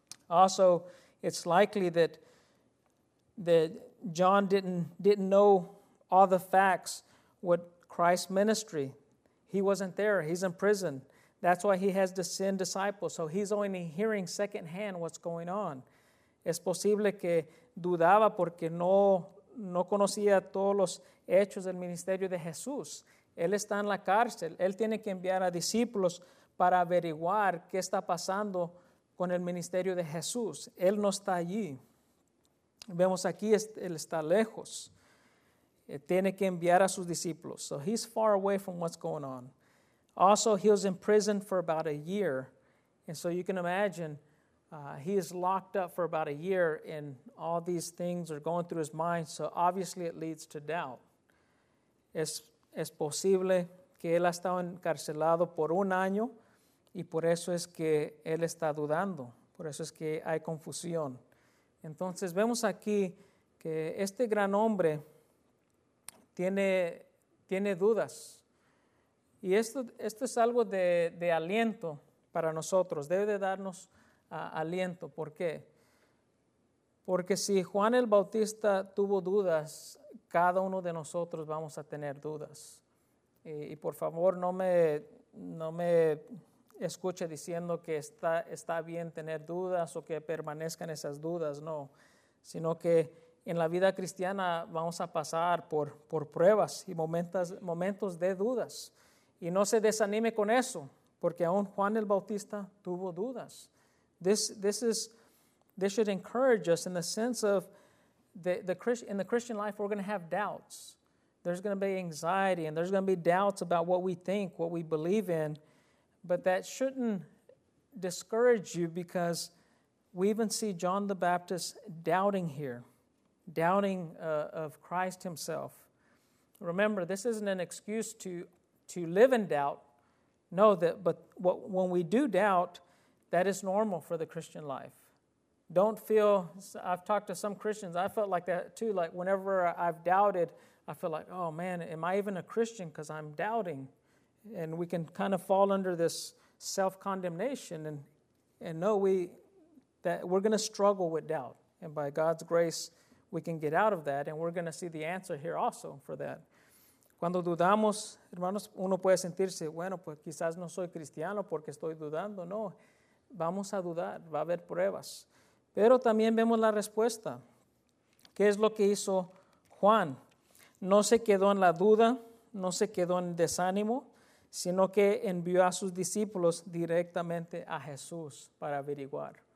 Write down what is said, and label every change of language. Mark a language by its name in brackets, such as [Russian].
[English] Also, it's likely that John didn't know all the facts with Christ's ministry. He wasn't there. He's in prison. That's why he has to send disciples. So he's only hearing secondhand what's going on. [Spanish] Es posible que dudaba porque no conocía todos los hechos del ministerio de Jesús. Él está en la cárcel. Él tiene que enviar a discípulos para averiguar qué está pasando con el ministerio de Jesús. Él no está allí. Vemos aquí, él está lejos. Tiene que enviar a sus discípulos. [English] So he's far away from what's going on. Also, he was in prison for about a year. And so you can imagine, he is locked up for about a year and all these things are going through his mind. So obviously it leads to doubt. [Spanish] Es posible que él ha estado encarcelado por un año y por eso es que él está dudando. Por eso es que hay confusión. Entonces vemos aquí que este gran hombre tiene dudas. Y esto es algo de aliento para nosotros. Debe de darnos aliento. ¿Por qué? Porque si Juan el Bautista tuvo dudas, cada uno de nosotros vamos a tener dudas. Y por favor, no me escuche diciendo que está bien tener dudas o que permanezcan esas dudas, no. Sino que en la vida cristiana vamos a pasar por pruebas y momentos de dudas. Y no se desanime con eso, porque aún Juan el Bautista tuvo dudas. [English] This should encourage us in the sense of in the Christian life, we're going to have doubts. There's going to be anxiety and there's going to be doubts about what we think, what we believe in. But that shouldn't discourage you, because we even see John the Baptist doubting here, doubting of Christ himself. Remember, this isn't an excuse to live in doubt. No, when we do doubt, that is normal for the Christian life. Don't feel, I've talked to some Christians, I felt like that too. Like whenever I've doubted, I feel like, oh man, am I even a Christian because I'm doubting? And we can kind of fall under this self-condemnation. And we're going to struggle with doubt. And by God's grace, we can get out of that. And we're going to see the answer here also for that. [Spanish] Cuando dudamos, hermanos, uno puede sentirse, bueno, pues quizás no soy cristiano porque estoy dudando. No, vamos a dudar, va a haber pruebas. Pero también vemos la respuesta. ¿Qué es lo que hizo Juan? No se quedó en la duda, no se quedó en desánimo, sino que envió a sus discípulos directamente a Jesús para averiguar.